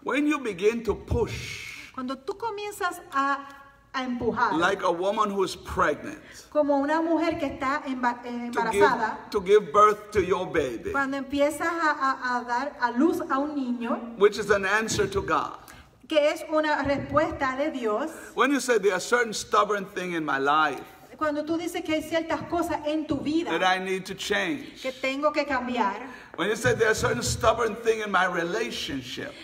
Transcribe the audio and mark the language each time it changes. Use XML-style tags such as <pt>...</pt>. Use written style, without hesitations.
<en>When you begin to push.</en> <es>Cuando tú comienzas a empujar.</es> <en>Like a woman who is pregnant.</en> <es>Como una mujer que está embarazada.</es> <en>To give birth to your baby.</en> <es>Cuando empiezas a dar a luz a un niño.</es> <en>Which is an answer to God.</en> <es>Que es una respuesta de Dios.</es> <en>When you say there are certain stubborn things in my life.</en> <es>Cuando tú dices que hay ciertas cosas en tu vida.</es> <en>That I need to change.</en> <es>Que tengo que cambiar.</es> <en>When you say there are certain stubborn things in my relationship.</en>